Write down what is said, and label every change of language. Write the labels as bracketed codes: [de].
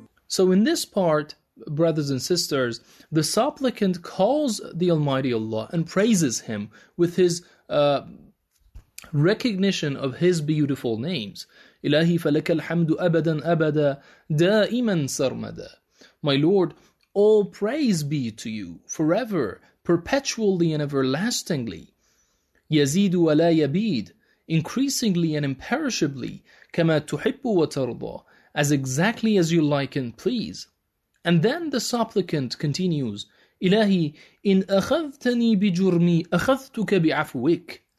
[en] So in this part, brothers and sisters, the supplicant calls the Almighty Allah and praises Him with his recognition of His beautiful names. [ar] إِلَهِ فَلَكَ الْحَمْدُ أَبَدًا أَبَدًا دَائِمًا سَرْمَدًا. [en] My Lord, all praise be to You forever, perpetually and everlastingly. [ar] يَزِيدُ وَلَا يَبِيدُ. [en] Increasingly and imperishably. [ar] كَمَا تُحِبُّ وَتَرْضَى. [en] As exactly as You like and please. And then the supplicant continues, [ar] إِلَهِ إِنْ أَخَذْتَنِي بِجُرْمِي أَخَذْتُكَ بِعَفْوِكَ.